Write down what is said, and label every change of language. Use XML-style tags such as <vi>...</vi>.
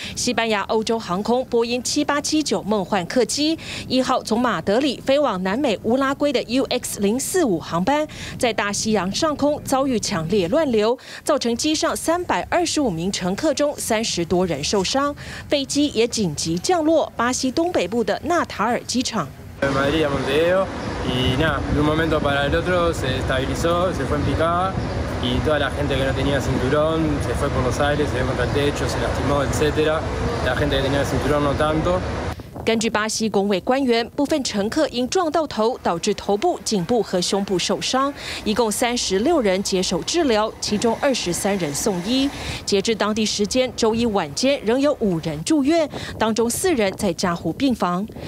<zh>西班牙欧洲航空波音7879梦幻客机1号从马德里飞往南美乌拉圭的 UX045 航班，在大西洋上空遭遇强烈乱流，造成机上325名乘客中30多人受伤，飞机也紧急降落巴西东北部的纳塔尔机场。</zh> <es>Madrid a Montevideo y nada, de un momento para el otro se estabilizó, se fue en picada y toda la gente que no tenía cinturón se fue por los aires, se fue contra el techo, se lastimó, etc. La gente que tenía el cinturón no tanto.</es> <zh>根据巴西公卫官员，部分乘客因撞到头导致头部、颈部和胸部受伤，一共36人接受治疗，其中23人送医。截至当地时间周一晚间，仍有5人住院，当中4人在加护病房。</zh>